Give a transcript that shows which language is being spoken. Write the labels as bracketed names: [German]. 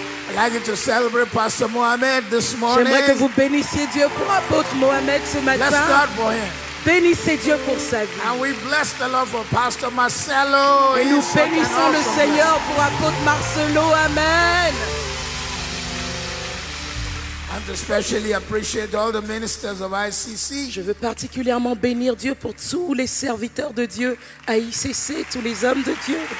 [English] I'd like you to celebrate Pastor Mohamed this morning. [French] J'aimerais que vous bénissiez Dieu pour Apôtre Mohamed ce matin. [English] Let's start for him. [French] Bénissez Dieu pour sa vie. [English] And we bless the Lord for Pastor Marcelo. [French] Et nous bénissons le Seigneur pour Apôtre Marcelo, amen. [English] And especially appreciate all the ministers of ICC. [French] Je veux particulièrement bénir Dieu pour tous les serviteurs de Dieu à ICC, tous les hommes de Dieu.